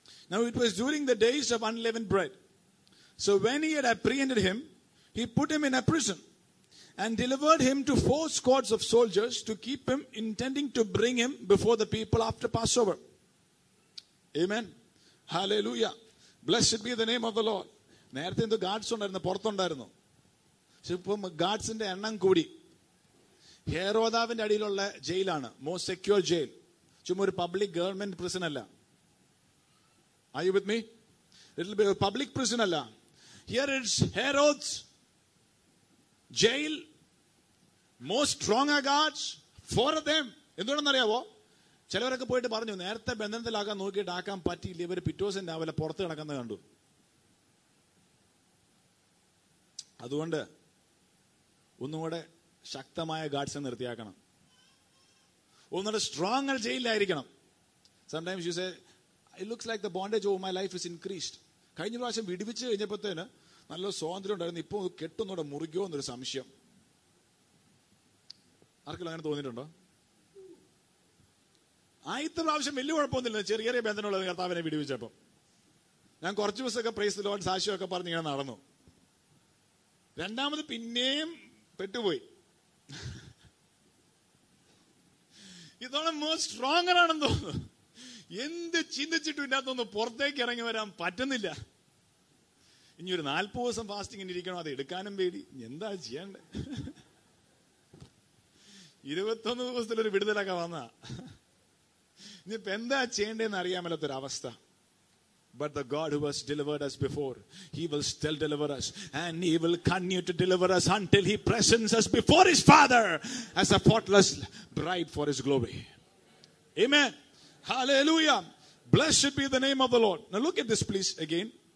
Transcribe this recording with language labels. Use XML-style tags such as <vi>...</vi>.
<en>Now it was during the days of unleavened bread. So when he had apprehended him, he put him in a prison and delivered him to 4 squads of soldiers to keep him, intending to bring him before the people after Passover. Amen. Hallelujah. Blessed be the name of the Lord.</en> <ml>നേരത്തെ എന്തോ guards ഉണ്ടായിരുന്നു, പുറത്തുണ്ടായിരുന്നു. പക്ഷെ ഇപ്പൊ ഗാർഡ്സിന്റെ എണ്ണം കൂടി. ഹെരോദാവിന്റെ അടിയിലുള്ള ജയിലാണ്, most secure jail. ചുമ്മാ ഒരു പബ്ലിക് ഗവൺമെന്റ് പ്രിസൺ അല്ല.</ml> <en>Are you with me? It will be a public prison, Allah. Here it's Herod's jail. Most stronger guards. 4 of them.</en> <ml>എന്തുകൊണ്ടെന്ന് അറിയാവോ? ചിലവരൊക്കെ പോയിട്ട് പറഞ്ഞു, നേരത്തെ ബന്ധനത്തിലാക്കാൻ നോക്കിയിട്ട് ആക്കാൻ പറ്റിയില്ല, ഇവർ പിറ്റോസിന് രാവിലെ പുറത്ത് കിടക്കുന്ന കണ്ടു. അതുകൊണ്ട് ഒന്നുകൂടെ ശക്തമായ ഗാർഡ്സ് നിർത്തിയാക്കണം. ഒന്നുകൂടെ stronger ജയിലിലായിരിക്കണം.</ml> <en>Sometimes you say, it looks like the bondage over my life is increased.</en> <ml>കഴിഞ്ഞ പ്രാവശ്യം വിടുവിച്ച് കഴിഞ്ഞപ്പോഴത്തേന് നല്ല സ്വാതന്ത്ര്യം ഉണ്ടായിരുന്നു, ഇപ്പൊ കെട്ടുന്നൂടെ മുറുകയോ എന്നൊരു സംശയം. ആർക്കെല്ലാം അങ്ങനെ തോന്നിയിട്ടുണ്ടോ? ആയിരത്തി പ്രാവശ്യം വലിയ കുഴപ്പമൊന്നുമില്ല, ചെറിയ ചെറിയ ബന്ധനമുള്ള കർത്താവിനെ വിടുവിച്ചപ്പോ. ഞാൻ കുറച്ച് ദിവസമൊക്കെ പ്രൈസ് ദി ലോർഡ് സാക്ഷ്യമൊക്കെ പറഞ്ഞ് ഇങ്ങനെ നടന്നു. രണ്ടാമത് പിന്നെയും പെട്ടുപോയി. ഇതോളം മോസ്റ്റ് സ്ട്രോങ്ങർ ആണെന്ന് തോന്നുന്നു. എന്ത് ചിന്തിച്ചിട്ടും ഇല്ലാത്തൊന്ന് പുറത്തേക്ക് ഇറങ്ങി വരാൻ പറ്റുന്നില്ല. ഇനി ഒരു 40 ദിവസം ഫാസ്റ്റിംഗ് ഇനി ഇരിക്കണം, അത് എടുക്കാനും പേടി. എന്താ ചെയ്യണ്ടേ? 21 ദിവസത്തിൽ ഒരു വിടുതലൊക്കെ വന്ന ഇനിയിപ്പോ എന്താ ചെയ്യണ്ടേന്ന് അറിയാമല്ലോ ഒരു അവസ്ഥ.</ml> <en>But the God who has delivered us before, he will still deliver us, and he will continue to deliver us until he presents us before his Father as a faultless bride for his glory. Amen. Hallelujah. Blessed be the name of the Lord. Now look at this please again.</en>